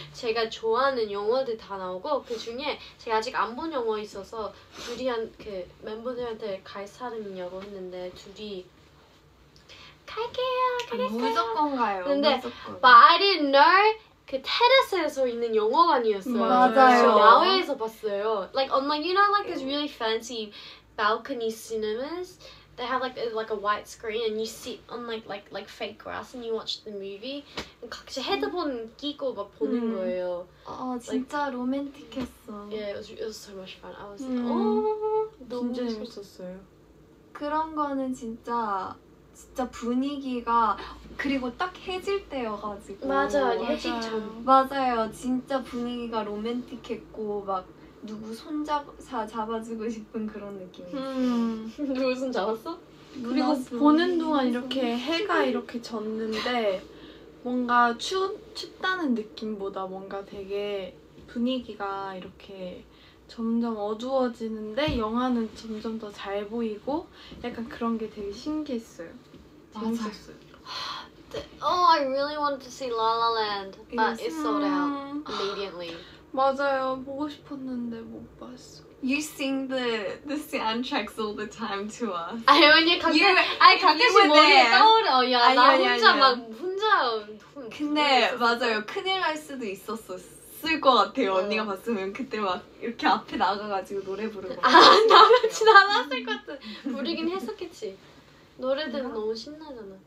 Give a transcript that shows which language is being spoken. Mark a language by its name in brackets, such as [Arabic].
[Korean] 제가 좋아하는 영화들 다 나오고 그 중에 제가 아직 안 본 영화 있어서 둘이 한 그 멤버들한테 갈 사람이냐고 했는데 둘이 갈게요. 무조건 가요. 근데 마린널 그 테라스에서 있는 영화관이었어요. 맞아요. 야외에서 봤어요. [English] Like on like you know like this really fancy balcony cinemas. They have like a white screen and you sit on like fake grass and you watch the movie. [Korean] 각자 헤드폰 끼고 막 보는 거예요. 아 진짜 like, 로맨틱했어. [English] Yeah, it was so much fun. I was like, [Korean] 너무 재밌었어요. 그런 거는 진짜. 진짜 분위기가 그리고 딱 해질 때여가지고 맞아요 해질 전 맞아요 진짜 분위기가 로맨틱했고 막 누구 잡아주고 싶은 그런 느낌 누구 손 잡았어? 그리고 보는 동안 이렇게 해가 이렇게 졌는데 뭔가 춥다는 느낌보다 뭔가 되게 분위기가 이렇게 점점 어두워지는데 영화는 점점 더 잘 보이고 약간 그런 게 되게 신기했어요. 맞아요. [English] Oh, I really wanted to see La La Land, but it sold out immediately. [Korean] 맞아요. 보고 싶었는데 못 봤어. [English] You sing the soundtracks all the time to us. [Korean] 아니 언니 가끔씩 머리에 떠오르. 야 나 혼자 막 혼자. 근데 맞아요. 큰일 날 수도 있었었어. 쓸 것 같아요. 맞아요. 언니가 봤으면 그때 막 이렇게 앞에 나가가지고 노래 부르고 아 나같이 나갔을 것 같아. 부르긴 했었겠지. 노래들은 응? 너무 신나잖아.